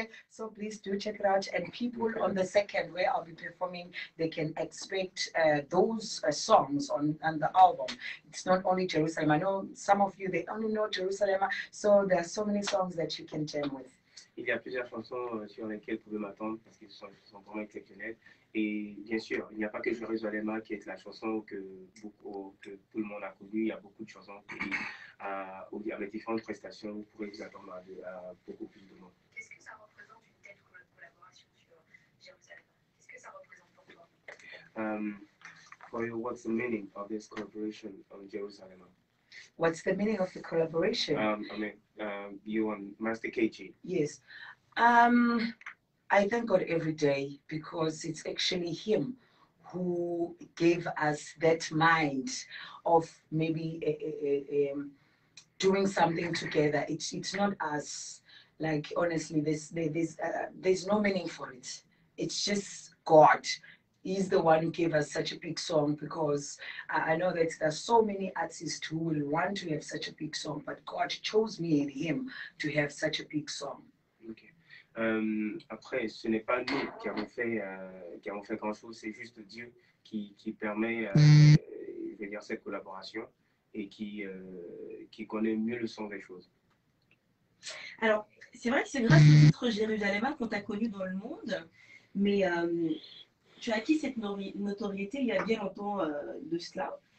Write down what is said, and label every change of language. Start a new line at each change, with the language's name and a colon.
English: So please do check it out. And people on the second where I'll be performing, they can expect those songs on the album. It's not only Jerusalem. I know some of you, they only know Jerusalem. So there are so many songs that you can jam with.
French: Il y a plusieurs chansons sur lesquelles vous pouvez m'attendre parce qu'elles sont vraiment exceptionnelles. Et bien sûr, il n'y a pas que Jérusalem qui est la chanson que tout le monde a connue. Il y a beaucoup de chansons qui, avec différentes prestations, vous pourrez vous attendre à beaucoup plus de monde. Qu'est-ce que ça représente une telle collaboration sur Jérusalem? Qu'est-ce que ça représente pour toi?
English: For you, what's the meaning of this collaboration on Jérusalem? What's the meaning of the collaboration? You and Master KG. Yes. I thank God every day because it's actually him who gave us that mind of maybe doing something together. It's not us. Like, honestly, there's no meaning for it. It's just God. He's the one who gave us such a big song, because I know that there's so many artists who will want to have such a big song, but God chose me and him to have such a big song. Okay.
French: Après, ce n'est pas nous qui avons fait grand chose, c'est juste Dieu qui permet cette collaboration et qui connaît mieux le son des choses. Alors, c'est vrai que c'est grâce au titre Jérusalem qu'on t'a connu dans le monde, mais tu as acquis cette notoriété il y a bien longtemps de cela.